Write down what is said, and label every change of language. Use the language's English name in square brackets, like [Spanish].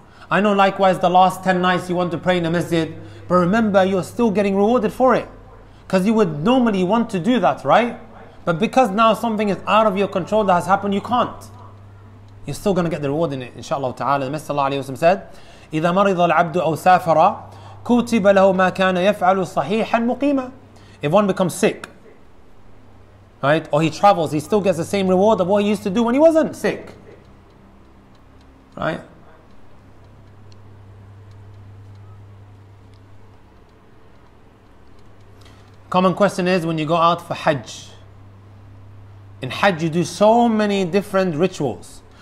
[English] I know likewise the last 10 nights you want to pray in the masjid, but remember you're still getting rewarded for it. Because you would normally want to do that, right? But because now something is out of your control that has happened, you can't. you're still going to get the reward in it, inshallah ta'ala. [Arabic] The Messenger of Allah said, إِذَا مَرِضَ الْعَبْدُ أَوْ سَافَرَ كُوتِبَ لَهُ مَا كَانَ يَفْعَلُ صَحِيحًا مُقِيمًا. [English] If one becomes sick, right, or he travels, he still gets the same reward of what he used to do when he wasn't sick. Right? Common question is, when you go out for Hajj, in Hajj you do so many different rituals.